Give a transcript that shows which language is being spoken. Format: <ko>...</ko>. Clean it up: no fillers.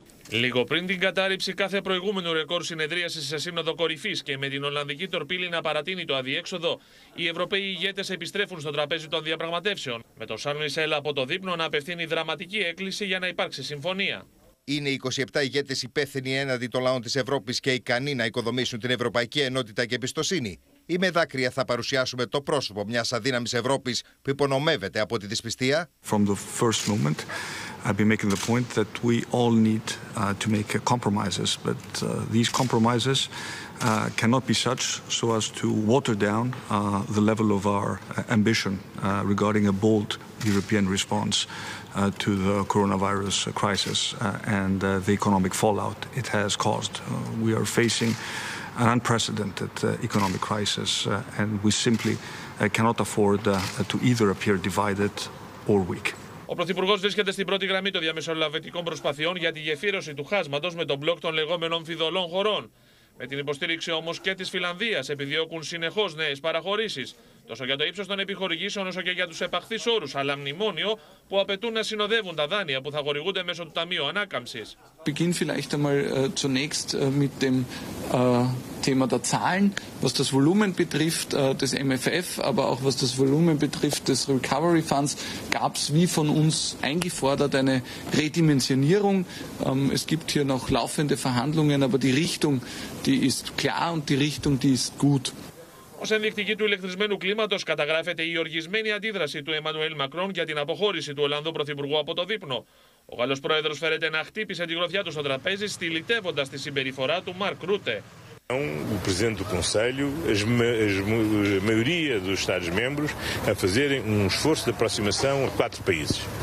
<el>Λίγο πριν την κατάρριψη κάθε προηγούμενου ρεκόρ συνεδρίασης σε σύνοδο κορυφής και με την Ολλανδική τορπίλη να παρατείνει το αδιέξοδο, οι Ευρωπαίοι ηγέτες επιστρέφουν στο τραπέζι των διαπραγματεύσεων, με τον Σαρλ Μισέλ από το δείπνο να απευθύνει δραματική έκκληση για να υπάρξει συμφωνία. Είναι 27 ηγέτες υπεύθυνοι έναντι των λαών της Ευρώπης και ικανοί να οικοδομήσουν την ευρωπαϊκή ενότητα και εμπιστοσύνη. Ή με δάκρυα θα παρουσιάσουμε το πρόσωπο μιας αδύναμης Ευρώπης που υπονομεύεται από τη δυσπιστία?</el> <en>From the first moment, I've been making the point that we all need to make compromises, but these compromises cannot be such so as to water down the level of our ambition regarding a bold European response to the coronavirus crisis and the economic fallout it has caused. We are facing an unprecedented economic crisis, and we simply cannot afford to either appear divided or weak.</en> <el>Ο Πρωθυπουργός βρίσκεται στην πρώτη γραμμή των διαμεσολαβητικών προσπαθειών για τη γεφύρωση του χάσματος με τον μπλοκ των λεγόμενων φιδωλών χωρών. Με την υποστήριξη όμως και της Φιλανδίας επιδιώκουν συνεχώς νέες παραχωρήσεις, τόσο για το ύψος των επιχορηγήσεων όσο και για τους επαχθείς όρους, αλλά μνημόνιο που απαιτούν να συνοδεύουν τα δάνεια που θα χορηγούνται μέσω του Ταμείου Ανάκαμψης.</el> <de>Beginn vielleicht einmal zunächst mit dem Thema der Zahlen, was das Volumen betrifft des MFF, aber auch was das Volumen betrifft des Recovery Funds, gab es wie von uns eingefordert eine Redimensionierung. Es gibt hier noch laufende Verhandlungen, aber die Richtung, die ist klar und die Richtung, die ist gut.</de> <el>Ως ενδεικτική του ηλεκτρισμένου κλίματος καταγράφεται η οργισμένη αντίδραση του Εμμανουέλ Μακρόν για την αποχώρηση του Ολλανδού Πρωθυπουργού από το δείπνο. Ο Γάλλος Πρόεδρος φέρεται να χτύπησε τη γροθιά του στο τραπέζι, στυλιτεύοντας τη συμπεριφορά του Μαρκ Ρούτε.</el> <pt>O Presidente do Conselho, a maioria dos Estados-membros a fazerem um esforço de aproximação a quatro países.</pt>